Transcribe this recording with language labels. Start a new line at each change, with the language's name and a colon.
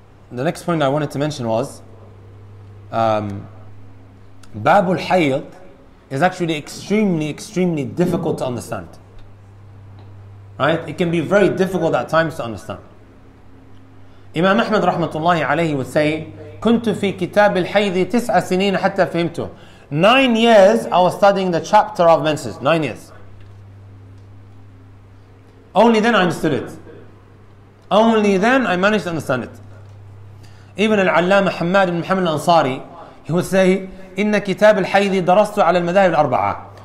English: The next point I wanted to mention was Babul Hayd is actually extremely, extremely difficult to understand. Right? It can be very difficult at times to understand. Imam Ahmad rahmatullahi alayhi would say,
Arabic: كُنْتُ فِي كِتَابِ الْحَيْضِ تِسْعَ سِنِينَ حَتَّى فِهِمْتُ.
English: 9 years I was studying the chapter of menses. 9 years. Only then I understood it. Only then I managed to understand it. Even Al-Allama Hamad ibn Muhammad al-Ansari, he would say,
Arabic: إِنَّ كِتَابِ الْحَيْضِ دَرَسْتُ عَلَى الْمَذَاهِبِ الْأَرْبَعَةِ.